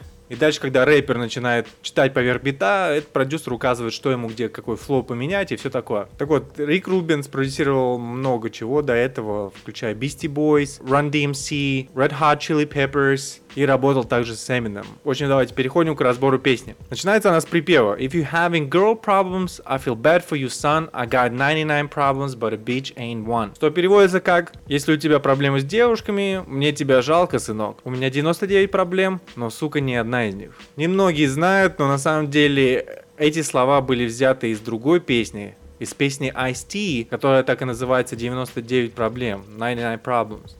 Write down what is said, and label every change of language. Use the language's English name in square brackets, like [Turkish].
[Russian] И дальше, когда рэпер начинает читать поверх бита, этот продюсер указывает, что ему где, какой флоу поменять и все такое. Так вот, Рик Рубин спродюсировал много чего до этого, включая Beastie Boys, Run DMC, Red Hot Chili Peppers и работал также с Eminem. В общем, давайте переходим к разбору песни. Начинается она с припева. [English] If you having girl problems, I feel bad for you, son. I got 99 problems, but a bitch ain't one. [Russian] Что переводится как: если у тебя проблемы с девушками, мне тебя жалко, сынок. У меня 99 проблем, но сука не одна из них. Немногие знают, но на самом деле эти слова были взяты из другой песни, из песни Ice-T, которая так и называется 99 проблем, 99 problems.